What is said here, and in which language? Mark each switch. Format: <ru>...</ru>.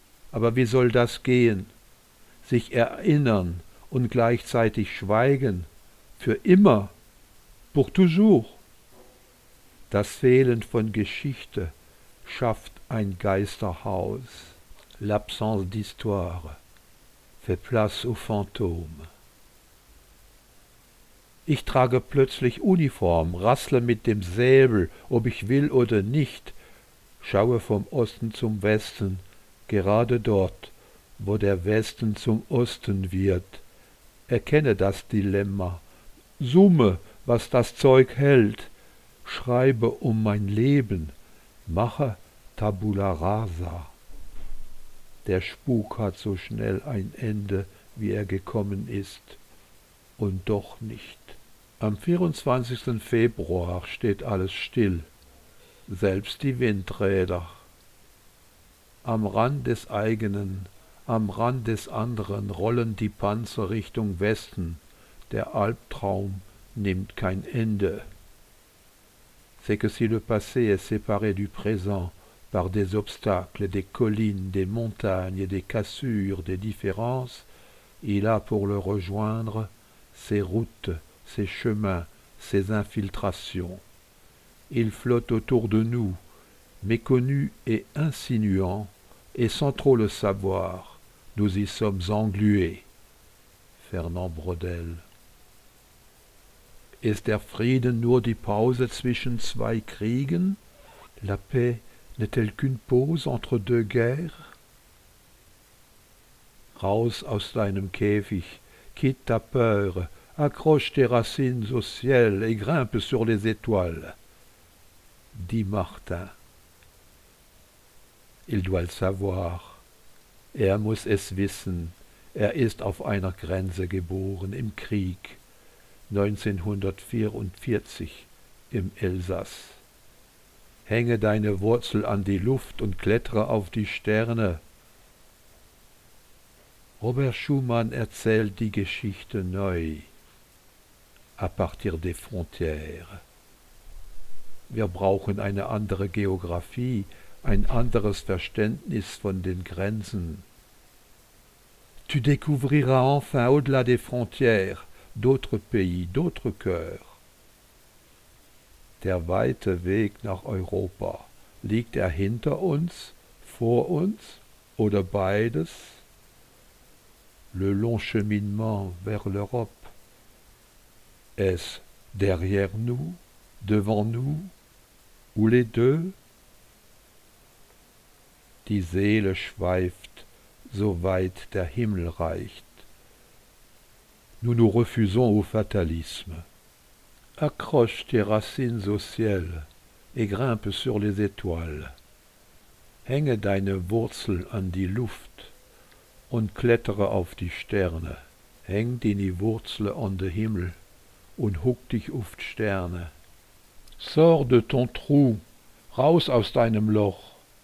<de>Aber wie soll das gehen? Sich erinnern, und gleichzeitig schweigen, für immer,</de> <fr>pour toujours.</fr> <de>Das Fehlen von Geschichte schafft ein Geisterhaus.</de> <fr>L'absence d'histoire fait place au fantôme.</fr> <de>Ich trage plötzlich Uniform, rassle mit dem Säbel, ob ich will oder nicht, schaue vom Osten zum Westen, gerade dort, wo der Westen zum Osten wird. Erkenne das Dilemma, summe, was das Zeug hält, schreibe um mein Leben, mache Tabula rasa. Der Spuk hat so schnell ein Ende, wie er gekommen ist, und doch nicht. Am 24. Februar steht alles still, selbst die Windräder. Am Rand des eigenen, am Rand des anderen rollen die Panzer Richtung Westen, der Albtraum nimmt kein Ende.</de> <fr>C'est que si le passé est séparé du présent par des obstacles, des collines, des montagnes, des cassures, des différences, il a pour le rejoindre ses routes, ses chemins, ses infiltrations. Il flotte autour de nous, méconnu et insinuant, et sans trop le savoir, nous y sommes englués. Fernand Braudel.</fr> <de>Ist der Frieden nur die Pause zwischen zwei Kriegen?</de> <fr>La paix n'est-elle qu'une pause entre deux guerres?</fr> <de>Raus aus deinem Käfig,</de> <fr>quitte ta peur, accroche tes racines au ciel et grimpe sur les étoiles, dit Martin. Il doit le savoir.</fr> <de>Er muss es wissen. Er ist auf einer Grenze geboren, im Krieg. 1944 im Elsass. Hänge deine Wurzel an die Luft und klettere auf die Sterne. Robert Schumann erzählt die Geschichte neu,</de> <fr>à partir des frontières.</fr> <de>Wir brauchen eine andere Geographie, ein anderes Verständnis von den Grenzen.</de> <fr>Tu découvriras enfin au-delà des frontières, d'autres pays, d'autres cœurs.</fr> <de>Der weite Weg nach Europa, liegt er hinter uns, vor uns oder beides?</de> <fr>Le long cheminement vers l'Europe, est-ce derrière nous, devant nous, ou les deux?</fr> <de>Die Seele schweift, so weit der Himmel reicht.</de> <fr>Nous nous refusons au fatalisme. Accroche tes racines au ciel et grimpe sur les étoiles.</fr> <de>Hänge deine Wurzel an die Luft und klettere auf die Sterne. Häng deine Wurzel an den Himmel und huck dich auf die Sterne.</de> <fr>Sors de ton trou,</fr> <de>raus aus deinem Loch.</de>